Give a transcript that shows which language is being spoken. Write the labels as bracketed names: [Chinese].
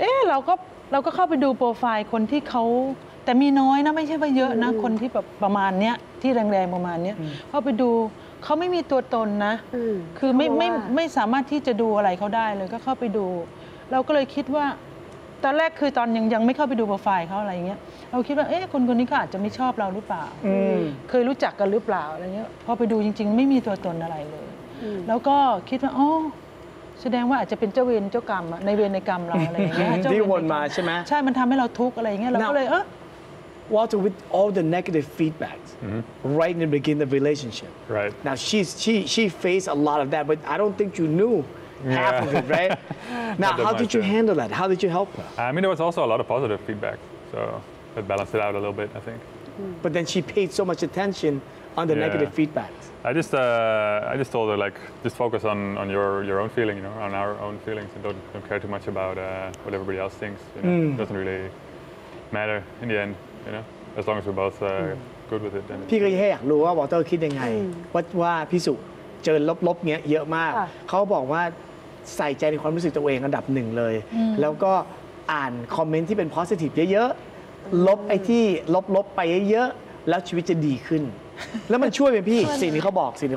[Thai] เราก็เข้าไปดูโปรไฟล์คนที่เขาแต่มีน้อยนะไม่ใช่ว่าเยอะนะคนที่แบบประมาณเนี้ยที่แรงๆประมาณเนี้ยเข้าไปดูเขาไม่มีตัวตนนะคือไม่สามารถที่จะดูอะไรเขาได้เลยก็เข้าไปดูเราก็เลยคิดว่าตอนแรกคือตอนยังไม่เข้าไปดูโปรไฟล์เขาอะไรเงี้ยเราคิดว่าเอ๊ะคนนี้ก็อาจจะไม่ชอบเราหรือเปล่า เคยรู้จักกันหรือเปล่าอะไรเงี้ยพอไปดูจริงๆไม่มีตัวตนอะไรเลยแล้วก็คิดว่าอ๋อแสดงว่าอาจจะเป็นเจ้าเวรเจ้ากรรมในเวรในกรรมเราอะไรเงี้ย ที่วนมาใช่ไหม ใช่มันทำให้เราทุกข์อะไรเงี้ยเราก็เลย [English] What with all the negative feedback right in the beginning of the relationship right now she faced a lot of that but I don't think you knewHalf of it, right? Now, how did you handle that? How did you help her? I mean, there was also a lot of positive feedback, so it balanced it out a little bit, I think. But then she paid so much attention on the negative feedback. I just told her, like, just focus on your own feeling, you know, on our own feelings, and don't care too much about what everybody else thinks. You know? It doesn't really matter in the end, you know, as long as we're both good with it. [Thai] พี่ก็อยากรู้ว่าวอเตอร์คิดยังไงว่าพี่สุเจอลบๆเงี้ยเยอะมากเขาบอกว่า ใส่ใจในความรู้สึกตัวเองอันดับหนึ่งเลยแล้วก็อ่านคอมเมนต์ที่เป็น positive เยอะๆลบไอ้ที่ลบๆไปเยอะๆแล้วชีวิตจะดีขึ้นแล้วมันช่วยไหมพี่สิ่งนี้เขาบอกสิ่งนี้